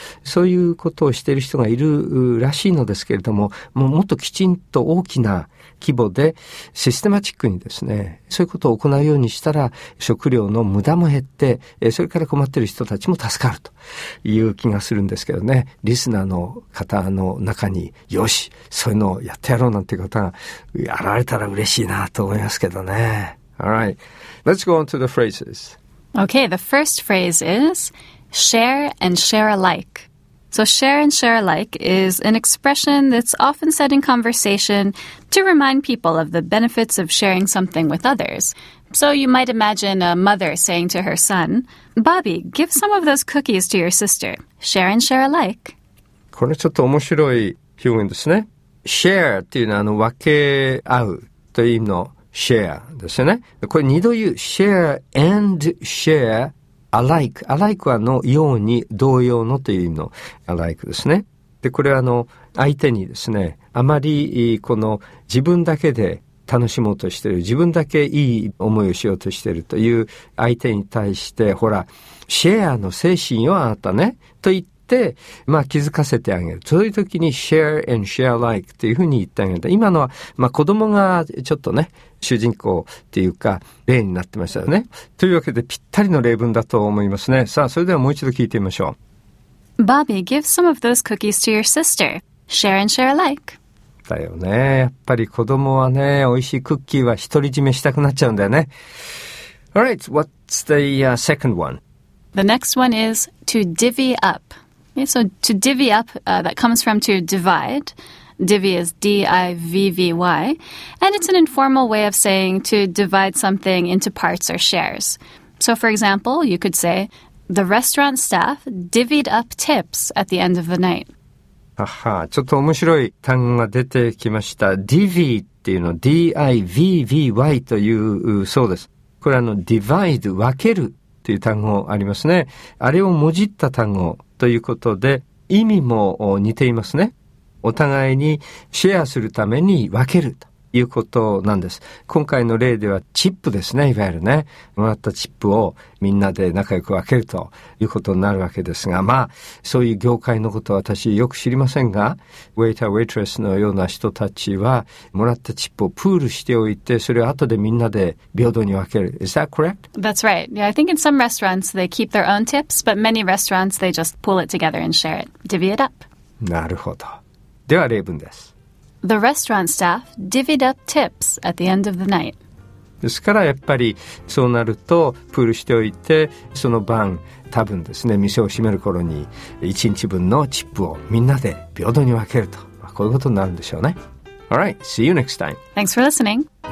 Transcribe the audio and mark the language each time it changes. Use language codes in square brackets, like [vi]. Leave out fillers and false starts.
[ja] そういうことをしている人がいるらしいのですけれども、もっときちんと大きな規模でシステマチックにですねそういうことを行うようにしたら食料の無駄も減って、それから困っている人たちも助かるという気がするんですけどね。リスナーの方の中によしそういうのをやってやろうなんていう方が現れたら嬉しいなと思いますけどね。 [en] All right, let's go on to the phrases. Okay, the first phrase is share and share alike. So share and share alike is an expression that's often said in conversation to remind people of the benefits of sharing something with others. So you might imagine a mother saying to her son, Bobby, give some of those cookies to your sister. Share and share alike. [ja] これちょっと面白い表現ですね。 Share っていうのは分け合うという意味のshare ですよね。これ二度言う。 [en] share and share alike。 [ja] alike はのように同様のという意味の alike ですね。で、これは相手にですね、あまりこの自分だけで楽しもうとしている、自分だけいい思いをしようとしているという相手に対して、ほら、share の精神よ、あなたね。と言って、まあ気づかせてあげる。そういう時に [en] share and share alike [ja] というふうに言ってあげる。今のは、まあ子供がちょっとね、主人公っていうか例になってましたよね。というわけでぴったりの例文だと思いますね。さあそれではもう一度聞いてみましょう。 [en] Bobby, give some of those cookies to your sister. Share and share alike. [ja] だよね。やっぱり子供はね、美味しいクッキーは独り占めしたくなっちゃうんだよね。 [en] Alright, what's the second one? The next one is to divvy up. Okay, so to divvy up, that comes from to divide. Divvy is D-I-V-V-Y, and it's an informal way of saying to divide something into parts or shares. So, for example, you could say, the restaurant staff divvied up tips at the end of the night. [ja] Aha, ちょっと面白い単語が出てきました。Divvy っていうの、D-I-V-V-Y というそうです。これ divide、分けるという単語ありますね。あれをもじった単語ということで、意味も似ていますね。お互いにシェアするために分けるということなんです。今回の例ではチップですね、いわゆるね、もらったチップをみんなで仲良く分けるということになるわけですが、まあそういう業界のことは私よく知りませんが、ウェイター、ウェイトレスのような人たちはもらったチップをプールしておいて、それを後でみんなで平等に分ける。 [en] Is that correct? That's right. Yeah, I think in some restaurants they keep their own tips, but many restaurants they just pull it together and share it, divvy it up. [ja] なるほど。では例文です。 [en] The restaurant staff divvied up tips at the end of the night. [ja] ですからやっぱりそうなるとプールしておいて、その晩多分ですね店を閉める頃に1日分のチップをみんなで平等に分けると、まあ、こういうことになるんでしょうね。 [en] Alright, see you next time. Thanks for listening.